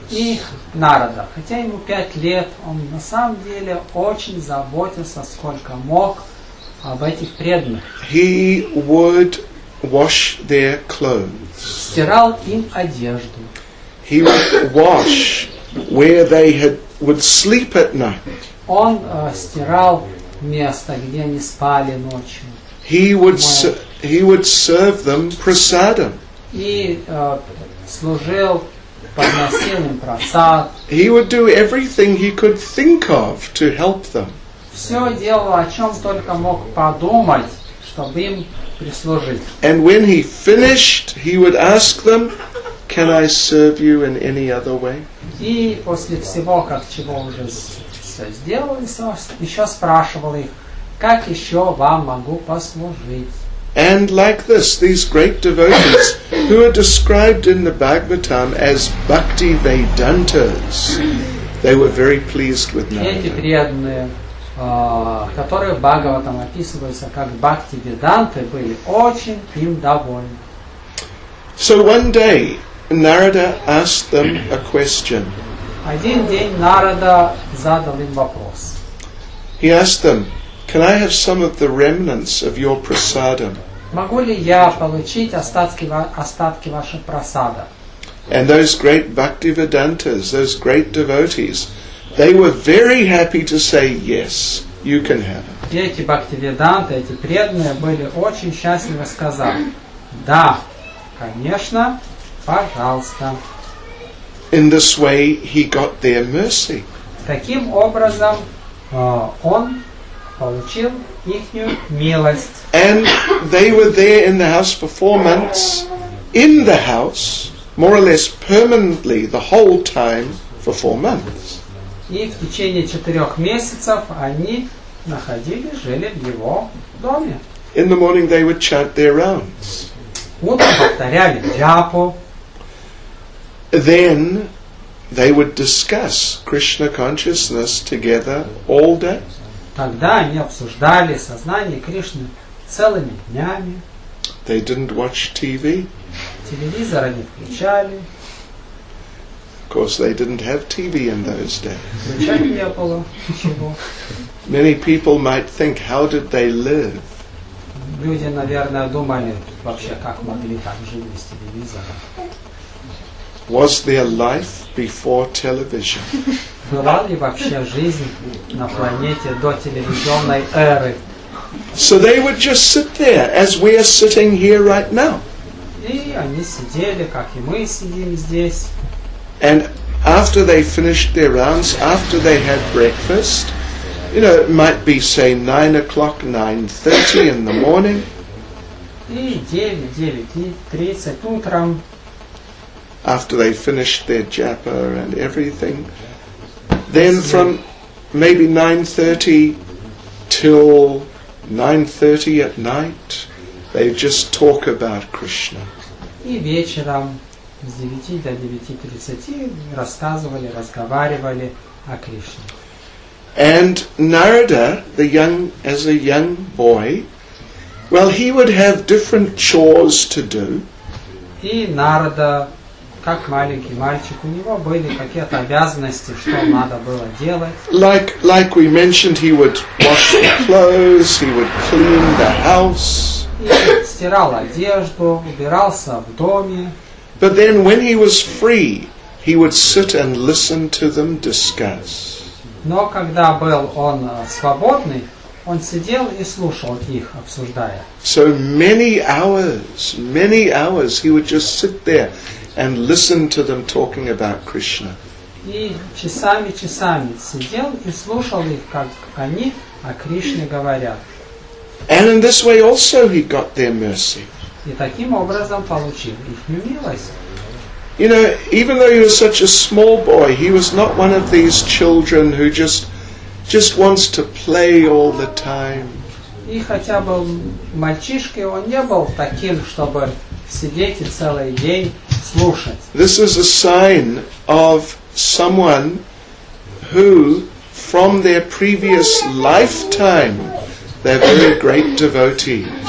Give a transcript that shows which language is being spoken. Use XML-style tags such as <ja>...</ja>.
<ru>И Нарада, хотя ему 5 лет, он на самом деле очень заботился, сколько мог, об этих преданных.</ru> <en>He would wash their clothes.</en> <ru>Стирал им одежду.</ru> <en>He would wash where they had would sleep at night.</en> <ru>Он стирал место, где они спали ночью.</ru> <en>He would serve them prasadam.</en> <ru>и служил, подносил им просад.</ru> <en>He would do everything he could think of to help them.</en> <ru>Все делал, о чем только мог подумать, чтобы им прислужить.</ru> <en>And when he finished, he would ask them, "Can I serve you in any other way?"</en> <ru>И после всего, как чего уже все сделал, еще спрашивал их, как еще вам могу послужить.</ru> <en>And like this, these great devotees, who are described in the Bhagavatam as Bhakti Vedantas, they were very pleased with Narada.</en> <ru>Эти преданные, которые в Бхагаватам описываются как Бхакти Веданты, были очень им довольны.</ru> <en>So one day, Narada asked them a question.</en> <ru>Один день Нарада задал им вопрос.</ru> <en>He asked them, "Can I have some of the remnants of your prasadam?"</en> <ru>Могу ли я получить остатки вашего прасада?</ru> <en>And those great Bhaktivedantas, those great devotees, they were very happy to say yes, you can have it.</en> <ru>Эти Бхактивиданты, эти преданные, были очень счастливы сказать: да, конечно, пожалуйста.</ru> <en>In this way, he got their mercy.</en> <ru>Таким образом, он получил ихнюю милость.</ru> <en>And they were there in the house for 4 months, in the house, more or less permanently, the whole time, for 4 months.</en> <ru>И в течение 4 месяцев они находились, жили в его доме.</ru> <en>In the morning they would chant their rounds.</en> <ru>Утром повторяли джапу.</ru> <en>Then they would discuss Krishna consciousness together all day.</en> <ru>Тогда они обсуждали сознание Кришны целыми днями.</ru> <en>They didn't watch TV.</en> <ru>Телевизора не включали.</ru> <en>Of course, they didn't have TV in those days.</en> <ru>Включали не было ничего.</ru> <en>Many people might think, how did they live?</en> <ru>Люди, наверное, думали вообще, как могли так жить без телевизора.</ru> <en>Was there life before television?</en> <ru>Была ли вообще жизнь на планете до телевизионной эры?</ru> <en>So they would just sit there, as we are sitting here right now.</en> <ru>И они сидели, как и мы сидим здесь.</ru> <en>And after they finished their rounds, after they had breakfast, you know, it might be, say, 9 o'clock, 9:30 in the morning.</en> <ru>И 9:30 утром.</ru> <en>After they finished their japa and everything, then from maybe 9:30 till 9:30 at night, they just talk about Krishna.</en> <ru>И вечером с 9 до 9:30 рассказывали, разговаривали о Кришне.</ru> <en>And Narada, as a young boy, well, he would have different chores to do.</en> <ru>И Нарада, как маленький мальчик, у него были какие-то обязанности, что надо было делать.</ru> <en>Like we mentioned, he would wash the clothes, he would clean the house.</en> <ru>И стирал одежду, убирался в доме.</ru> <en>But then when he was free, he would sit and listen to them discuss.</en> <ru>Но когда был он свободный, он сидел и слушал их, обсуждая.</ru> <en>So many hours, he would just sit there and listen to them talking about Krishna.</en> <ru>И часами сидел и слушал их, как они о Кришне говорят.</ru> <en>And in this way also he got their mercy.</en> <ru>И таким образом получил их милость.</ru> <en>You know, even though he was such a small boy, he was not one of these children who just wants to play all the time.</en> <ru>И хотя был мальчишкой, он не был таким, чтобы сидеть и целый день слушать.</ru> <en>This is a sign of someone who, from their previous lifetime, they're very great devotees.</en>